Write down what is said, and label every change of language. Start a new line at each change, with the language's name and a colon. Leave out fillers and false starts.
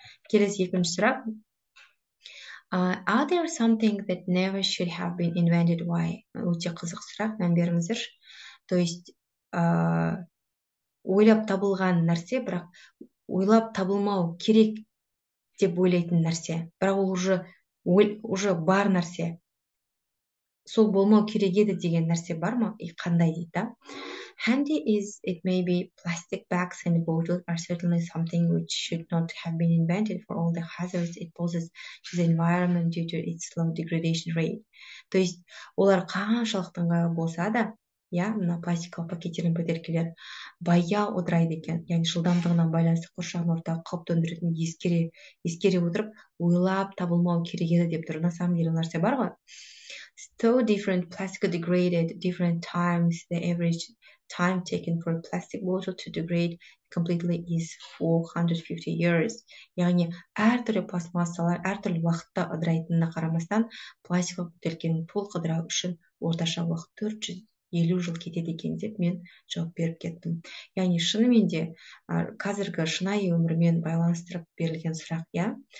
Kazakh: Келесі екінші сұрақ.
English: Are there something that never should have been invented? Why?
Kazakh: Өте қызық сұрақ, мән беріңіздер. То есть, ойлап табылған нәрсе, бірақ ойлап табылмау керек деп ойлайтын нәрсе. Бірақ ол уже бар нәрсе. Сол болмау керек еді деген нәрсе бар ма? И қандай дейді, да?
English: Handy is it may be plastic bags and bottles are certainly something which should not have been invented for all the hazards it poses to the environment due to its slow degradation rate.
Kazakh: То есть, олар қаншалықты ыңғайлы болса да, иә, мына пластикалық пакеттер мен бөтелкелер баяу ыдырайды екен. Яғни жылдамдығына байланысты қоршаған ортаға қауіп төндіретінін ескере отырып, ойлап табылмау керек еді деп тұр.
Russian: На самом деле
Kazakh: нәрсе бар ғой.
English: So different plastic degraded different times. The average time taken for a plastic bottle to degrade completely is 450 years.
Kazakh: Яғни әртүрлі пластмассалар әртүрлі уақытта ыдырайтынына қарамастан, пластикалық бөтелкені толық ыдырау үшін орташа уақыт 450 жыл кетеді екен деп мен жауап беріп кеттім. Яғни шынымен де қазіргі шынайы өмірмен байланыстырып берілген сұрақ, иә?